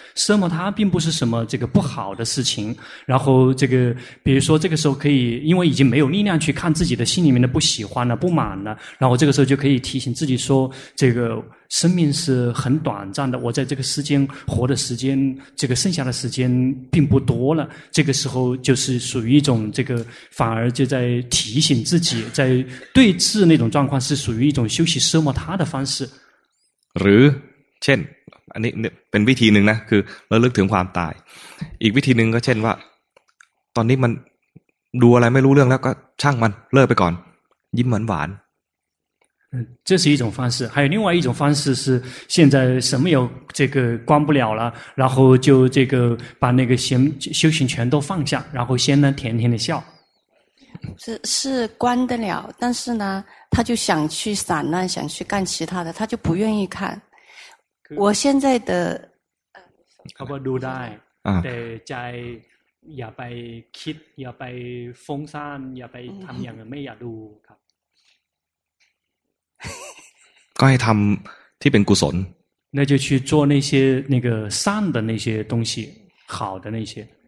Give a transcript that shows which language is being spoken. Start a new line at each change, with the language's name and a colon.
Chinese: 奢摩他并不是什么这个不好的事情。然后这个比如说这个时候可以，因为已经没有力量去看自己的心里面的不喜欢了、不满了，然后这个时候就可以提醒自己说这个。生命是很短暂的，我在这个世间活的时间，这个剩下的时间并不多了。这个时候就是属于一种这个，反而就在提醒自己，在对峙那种状况，是属于一种休息奢摩他的方式。
Thai: หรือเช่นอันนี้เป็นวิธีหนึ่งนะคือระลึกถึงความตายอีกวิธีหนึ่งก็เช่นว่าตอนนี้มันดูอะไรไม่รู้เรื่องแล้วก็ช่างมันเลิกไปก่อนยิ้มหวาน
Chinese: 这是一种方式，还有另外一种方式是现在什么也这个关不了了，然后就这个把那个闲修行全都放下，然后先呢甜甜的笑。是关得了，但是呢，他就想去散乱，想去干其他的，他就不愿意看。我现在的，
Thai: เขาบอกดูได้แต่ใจอย่าไปคิดอย่าไปฟุ้งซ่านอย่าไปทำอย่างไม่อยากดูครับ ก็ให้ทำที่เป็นกุศล
Chinese: 那就去做那些那个善的那些东西好的那些